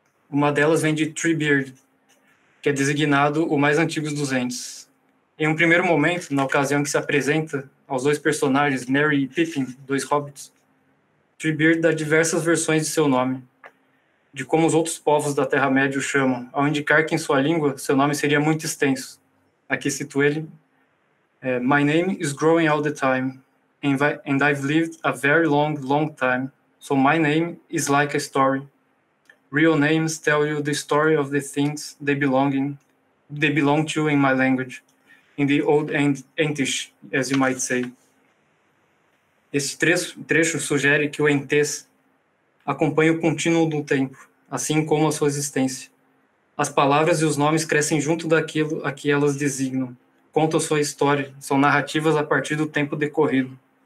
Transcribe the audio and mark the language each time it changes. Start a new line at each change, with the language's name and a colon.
Portuguese: Uma delas vem de Treebeard, que é designado o mais antigo dos Ents. Em um primeiro momento, na ocasião que se apresenta aos dois personagens, Merry e Pippin, dois hobbits, Treebeard dá diversas versões de seu nome, de como os outros povos da Terra-média o chamam, ao indicar que em sua língua seu nome seria muito extenso. Aqui cito ele:
English: My name is growing all the time, and I've lived a very long, long time, so my name is like a story. Real names tell you the story of the things they belong to in my language, in the old Entish, as you might say.
Portuguese: Esse trecho sugere que o Entes acompanha o contínuo do tempo, assim como a sua existência. As palavras e os nomes crescem junto daquilo a que elas designam, contam sua história, são narrativas a partir do tempo decorrido.